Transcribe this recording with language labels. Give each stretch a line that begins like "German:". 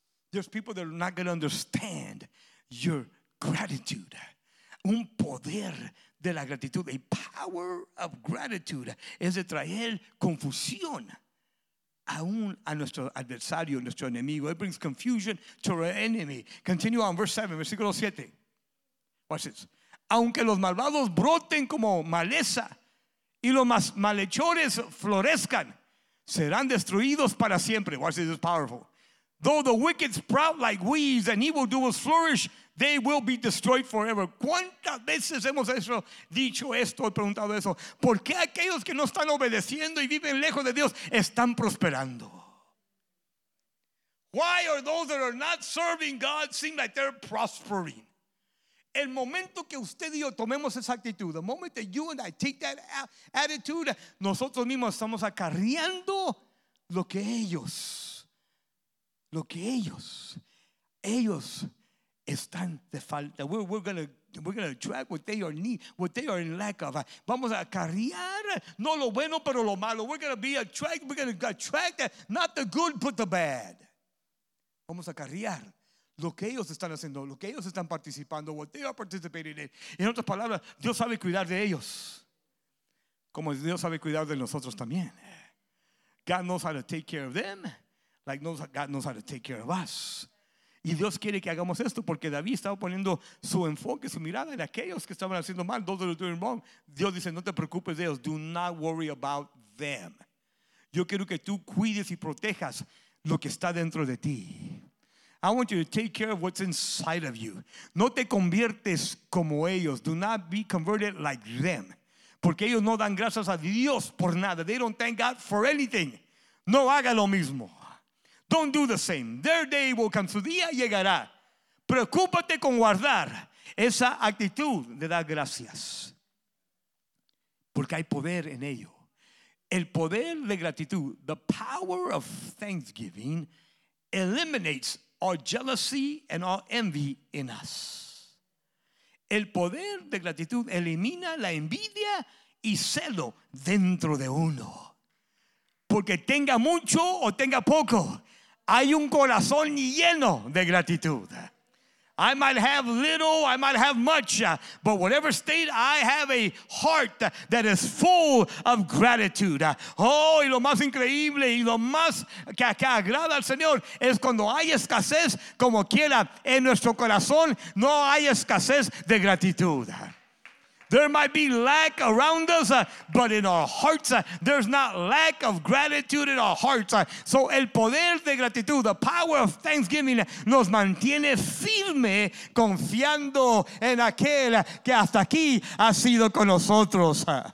English: There's people that are not going to understand your gratitude.
Spanish: Un poder de la gratitud,
English: a power of gratitude,
Spanish: es de traer confusión a nuestro adversario, nuestro enemigo.
English: It brings confusion to our enemy. Continue on, verse 7,
Spanish: versículo 7.
English: Watch this.
Spanish: Aunque los malvados broten como maleza y los más malhechores florezcan, serán destruidos para siempre.
English: Watch this, this is powerful. Though the wicked sprout like weeds and evildoers flourish, they will be destroyed forever.
Spanish: ¿Cuántas veces hemos dicho esto, preguntado eso? ¿Por qué aquellos que no están obedeciendo y viven lejos de Dios están prosperando?
English: Why are those that are not serving God seem like they're prospering?
Spanish: El momento que usted y yo tomemos esa actitud,
English: the moment that you and I take that attitude,
Spanish: nosotros mismos estamos acarreando lo que ellos están de falta.
English: We're gonna track what they are need, what they are in lack of.
Spanish: Vamos a acarrear no lo bueno pero lo malo.
English: We're gonna attract not the good but the bad.
Spanish: Vamos a acarrear lo que ellos están haciendo, lo que ellos están participando,
English: what they are participating in.
Spanish: En otras palabras, Dios sabe cuidar de ellos, como Dios sabe cuidar de nosotros también.
English: God knows how to take care of them, like God knows how to take care of us.
Spanish: Y Dios quiere que hagamos esto porque David estaba poniendo su enfoque, su mirada en aquellos que estaban haciendo mal.
English: Those that were doing wrong.
Spanish: Dios dice, no te preocupes de ellos.
English: Do not worry about them.
Spanish: Yo quiero que tú cuides y protejas lo que está dentro de ti.
English: I want you to take care of what's inside of you.
Spanish: No te conviertes como ellos.
English: Do not be converted like them.
Spanish: Porque ellos no dan gracias a Dios por nada.
English: They don't thank God for anything.
Spanish: No haga lo mismo.
English: Don't do the same. Their day will come.
Spanish: Su día llegará. Preocúpate con guardar esa actitud de dar gracias. Porque hay poder en ello. El poder de gratitud,
English: the power of thanksgiving, eliminates all jealousy and all envy in us.
Spanish: El poder de gratitud elimina la envidia y celo dentro de uno. Porque tenga mucho o tenga poco, hay un corazón lleno de gratitud.
English: I might have little, I might have much, but whatever state, I have a heart that is full of gratitude.
Spanish: Oh, y lo más increíble y lo más que agrada al Señor es cuando hay escasez, como quiera, en nuestro corazón no hay escasez de gratitud.
English: There might be lack around us, but in our hearts, there's not lack of gratitude in our hearts.
Spanish: So el poder de gratitud,
English: the power of thanksgiving,
Spanish: nos mantiene firme confiando en aquel que hasta aquí ha sido con nosotros.